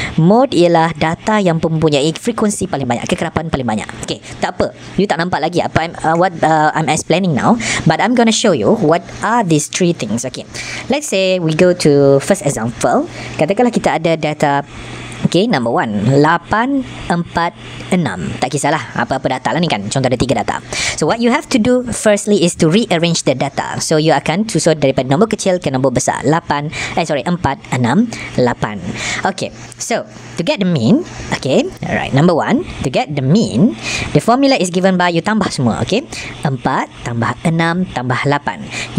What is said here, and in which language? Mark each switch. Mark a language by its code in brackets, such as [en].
[ms] Mode ialah data yang mempunyai frekuensi paling banyak, kekerapan paling banyak. [en] Okay, tak apa, you tak nampak lagi apa I'm explaining now, but I'm gonna show you what are these three things. Okay, let's say we go to first example. Katakanlah kita ada data, okay, number one, 8, 4, 6. [ms] Tak kisahlah apa-apa data lah ni kan. Contoh ada 3 data. So what you have to do firstly is to rearrange the data. So you akan susun daripada nombor kecil ke nombor besar. 4, 6, 8. [en] Okay, so to get the mean, okay, alright, number one, to get the mean, the formula is given by you tambah semua, okay, 4 tambah 6 tambah 8.